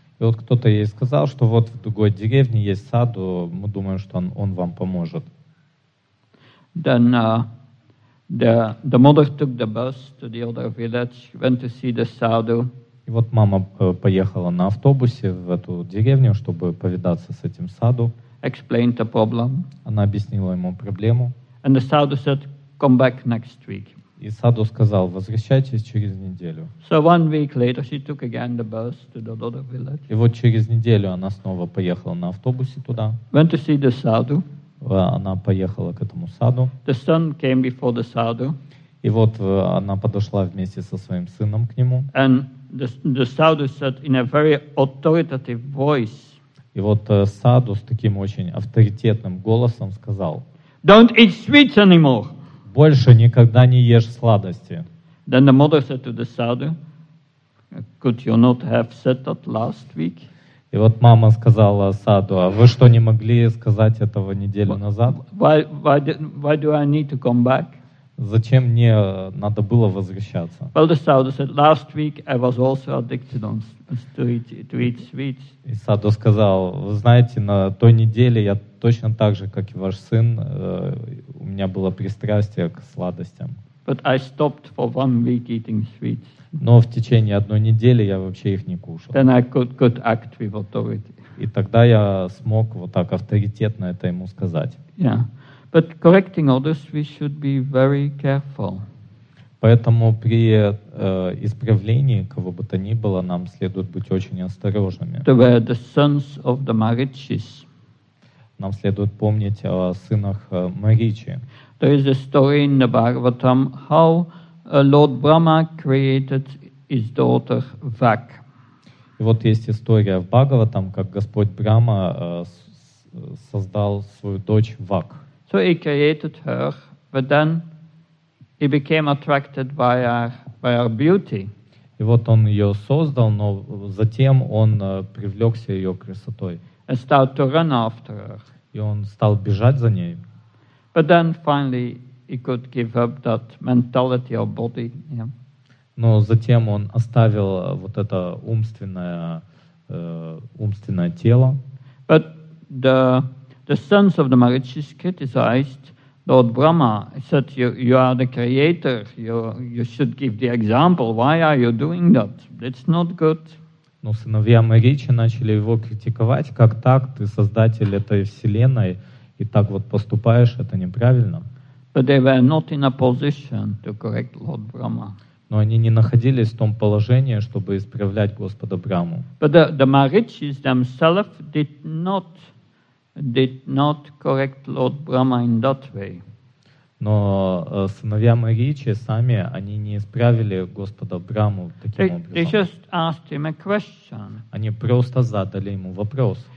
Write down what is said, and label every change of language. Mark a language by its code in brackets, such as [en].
[ru] И вот кто-то ей сказал, что вот в другой деревне есть саду, мы думаем, что он вам поможет. [en] Then the mother took the bus to the other village, went to see the sadhu. [ru] И вот мама поехала на автобусе в эту деревню, чтобы повидаться с этим саду. [en] Explained the problem. [ru] Она объяснила ему проблему. [en] And the sadhu said, come back next week. [ru] И саду сказал, возвращайтесь через неделю. [en] So one week later she took again the bus to the other village. [ru] И вот через неделю она снова поехала на автобусе туда. [en] Went to see the sadhu. [ru] Она поехала к этому саду. [en] The son came before the sadhu. [ru] И вот она подошла вместе со своим сыном к нему. [en] And the sadhu said in a very authoritative voice. [ru] И вот саду с таким очень авторитетным голосом сказал: [en] Don't eat sweets anymore. [ru] Больше никогда не ешь сладости. [en] Then the mother said to the sadhu, Could you not have said that last week? [ru] И вот мама сказала саду: А вы что, не могли сказать этого неделю назад? [en] Why do I need to come back? [ru] Зачем мне надо было возвращаться? [en] Well, the sadhu said, last week I was also addicted to eat sweets. [ru] И саду сказал, вы знаете, на той неделе я точно так же, как и ваш сын, у меня было пристрастие к сладостям. [en] But I stopped for 1 week eating sweets. [ru] Но в течение одной недели я вообще их не кушал. [en] Then I could act with authority. [ru] И тогда я смог вот так авторитетно это ему сказать. Yeah. [en] But correcting others, we should be very careful. [ru] Поэтому при исправлении кого бы то ни было, нам следует быть очень осторожными. [en] They were the sons of the Marichis. [ru] Нам следует помнить о сынах Маричи. [en] There is a story in the Bhagavatam how Lord Brahma created his daughter Vak. [ru] И вот есть история в Бхагаватам, как Господь Брама создал свою дочь Вак. [en] So he created her, but then he became attracted by her beauty. [ru] И вот он ее создал, но затем он привлекся ее красотой. [en] And started to run after her. [ru] И он стал бежать за ней. [en] But then finally he could give up that mentality or body. Yeah. [ru] Но затем он оставил вот это умственное, умственное тело. [en] But the sons of the Marichis criticized Lord Brahma. He said, you are the creator. You should give the example. Why are you doing that? That's not good. [ru] Но сыновья Маричи начали его критиковать. Как так? Ты создатель этой вселенной и так вот поступаешь. Это неправильно. [en] But they were not in a position to correct Lord Brahma. [ru] Но они не находились в том положении, чтобы исправлять Господа Браму. [en] But the Marichis themselves did not correct Lord Brahma in that way. [ru] Но сыновья Маричи сами, они не исправили Господа Браму таким [en] they, [ru] образом. [en] They just asked him a question. [ru] Они просто задали ему вопрос.